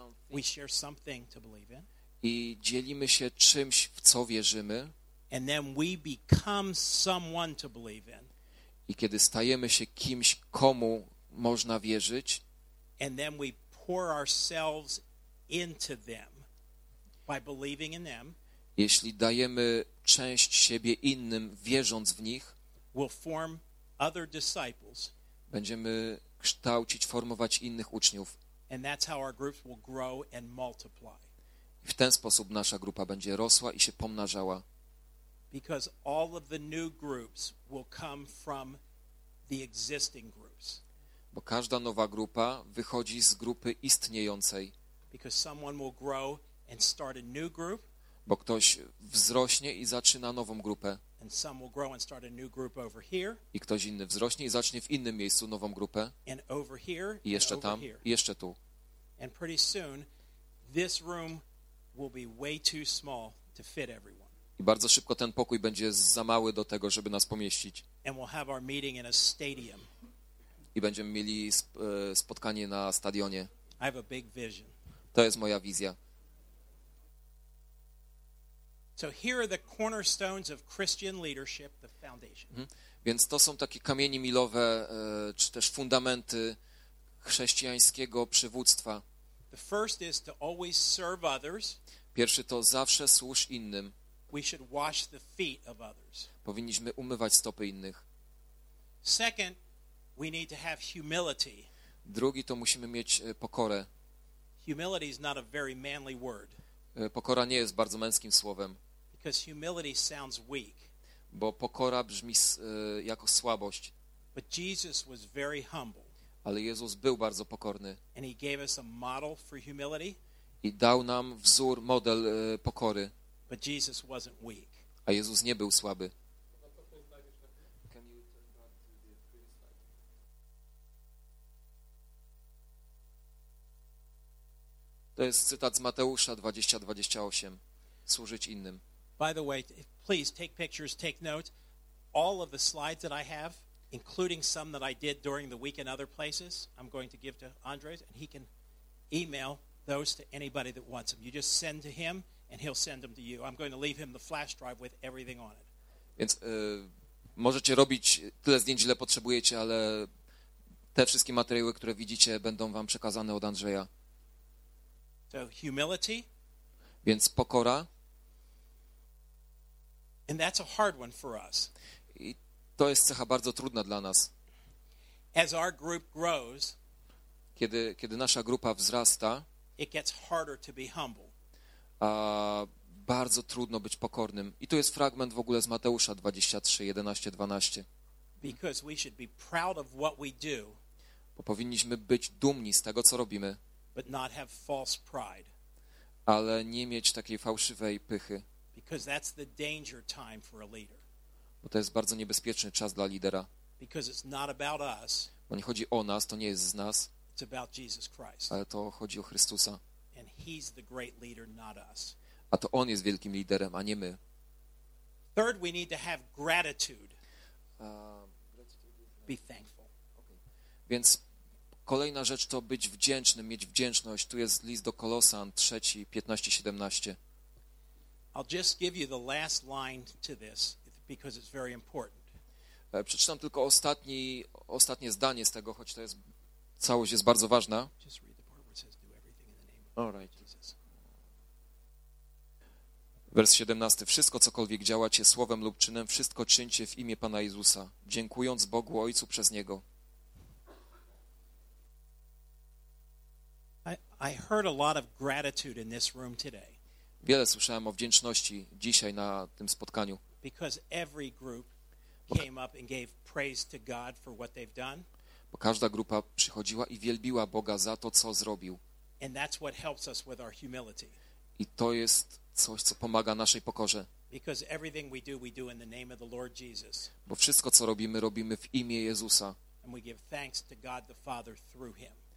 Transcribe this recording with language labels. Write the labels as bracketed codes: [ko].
[en] We share something to believe in. [pl] I dzielimy się czymś, w co wierzymy. [en] And then we become someone to believe in. [pl] I kiedy stajemy się kimś, komu można wierzyć. [en] And then we pour ourselves into them by believing in them. [pl] Jeśli dajemy część siebie innym, wierząc w nich, [en] we'll form other disciples. [pl] Będziemy kształcić, formować innych uczniów. [en] And that's how our groups will grow and multiply. [pl] W ten sposób nasza grupa będzie rosła i się pomnażała. [en] Because all of the new groups will come from the existing groups. [pl] Bo każda nowa grupa wychodzi z grupy istniejącej. [en] Because someone will grow and start a new group. [pl] Bo ktoś wzrośnie i zaczyna nową grupę. [en] And some will grow and start a new group over here. [pl] I ktoś inny wzrośnie i zacznie w innym miejscu nową grupę. [en] And over here, [pl] i jeszcze [en] and [pl] tam, [en] over here. [pl] I jeszcze tu. [en] And pretty soon, this room will be way too small to fit everyone. [pl] I bardzo szybko ten pokój będzie za mały do tego, żeby nas pomieścić. [en] And we'll have our meeting in a stadium. [pl] I będziemy mieli spotkanie na stadionie. [en] I have a big vision. [pl] To jest moja wizja. [en] So here are the cornerstones of Christian leadership, the foundation. [pl] Więc to są takie kamienie milowe, czy też fundamenty chrześcijańskiego przywództwa. [en] The first is to always serve others. [pl] Pierwszy to zawsze służ innym. [en] We should wash the feet of others. [pl] Powinniśmy umywać stopy innych. [en] Second, we need to have humility. [pl] Drugi to musimy mieć pokorę. [en] Humility is not a very manly word. [pl] Pokora nie jest bardzo męskim słowem. [en] Because humility sounds weak. [pl] Bo pokora brzmi jako słabość. [en] But Jesus was very humble. [pl] Ale Jezus był bardzo pokorny. [en] And he gave us a model for humility. [pl] I dał nam wzór, model pokory. [en] But Jesus wasn't weak. [pl] A Jezus nie był słaby. To jest cytat z Mateusza 20:28. Służyć innym. [en] By the way, please take pictures, take notes. All of the slides that I have, including some that I did during the week in other places, I'm going to give to Andres, and he can email those to anybody that wants them. You just send to him, and he'll send them to you. I'm going to leave him the flash drive with everything on it. [pl] Więc możecie robić tyle zdjęć, ile potrzebujecie, ale te wszystkie materiały, które widzicie, będą wam przekazane od Andrzeja. [en] So humility. [pl] Więc pokora. [en] And that's a hard one for us. [pl] I to jest cecha bardzo trudna dla nas. [en] As our group grows, [pl] kiedy nasza grupa wzrasta, [en] it gets harder to be humble. [pl] A bardzo trudno być pokornym. I tu jest fragment w ogóle z Mateusza 23:11-12. [en] Because we should be proud of what we do. [pl] Bo powinniśmy być dumni z tego, co robimy. [en] But not have false pride. [pl] Ale nie mieć takiej fałszywej pychy. [en] Because that's the danger time for a leader. [pl] Bo to jest bardzo niebezpieczny czas dla lidera. [en] Because it's not about us. [pl] Bo nie chodzi o nas, to nie jest z nas. [en] It's about Jesus Christ. [pl] Ale to chodzi o Chrystusa. [en] And he's the great leader, not us. [pl] A to on jest wielkim liderem, a nie my. [en] Third, we need to have gratitude. Be thankful. Okay. [pl] Więc kolejna rzecz to być wdzięcznym, mieć wdzięczność. Tu jest list do Kolosan 3:15-17. [en] I'll just give you the last line to this because it's very important. [pl] Przeczytam tylko ostatnie zdanie z tego, choć to jest całość jest bardzo ważna. [en] Just read the part where it says, do everything in the name of Jesus. [pl] Wers 17. Wszystko, cokolwiek działacie słowem lub czynem, wszystko czyńcie w imię Pana Jezusa, dziękując Bogu Ojcu przez Niego. [en] I heard a lot of gratitude in this room today. [pl] Wiele słyszałem o wdzięczności dzisiaj na tym spotkaniu. [en] Because every group came up and gave praise to God for what they've done. [pl] Bo każda grupa przychodziła i wielbiła Boga za to, co zrobił. [en] And that's what helps us with our humility. [pl] I to jest coś, co pomaga naszej pokorze. [en] Because everything we do in the name of the Lord Jesus. [pl] Bo wszystko, co robimy, robimy w imię Jezusa. [en] And we give thanks to God the Father through him.